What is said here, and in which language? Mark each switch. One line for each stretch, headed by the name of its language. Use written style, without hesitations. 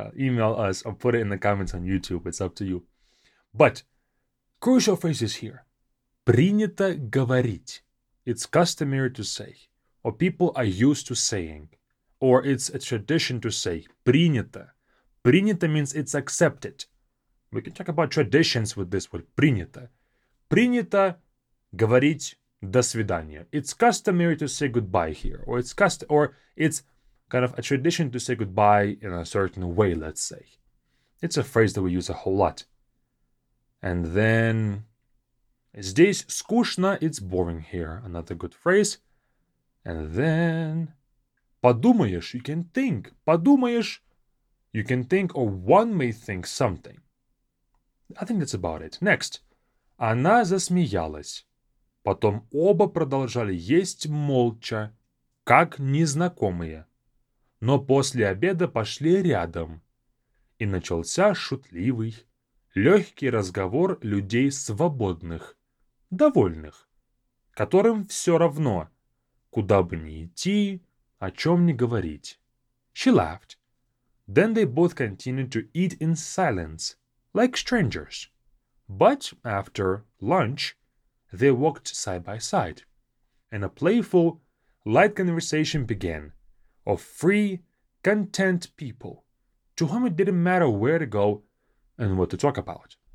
English: Email us or put it in the comments on YouTube. It's up to you. But crucial phrases here.
Russian: Принято говорить.
English: It's customary to say, or people are used to saying, or it's a tradition to say, принято. Принято means it's accepted. We can talk about traditions with this word, принято.
Russian: Принято говорить до свидания.
English: It's customary to say goodbye here, or it's kind of a tradition to say goodbye in a certain way, let's say. It's a phrase that we use a whole lot. And then...
Russian: Здесь скучно,
English: it's boring here. Another good phrase. And then... Подумаешь, you can think. Подумаешь, you can think, or one may think something. I think that's about it. Next.
Russian: Она засмеялась. Потом оба продолжали есть молча, как незнакомые. Но после обеда пошли рядом. И начался шутливый, легкий разговор людей свободных. Довольных, которым все равно, куда бы ни идти, о чем ни говорить.
English: She laughed. Then they both continued to eat in silence, like strangers. But after lunch, they walked side by side. And a playful, light conversation began, of free, content people, to whom it didn't matter where to go and what to talk about.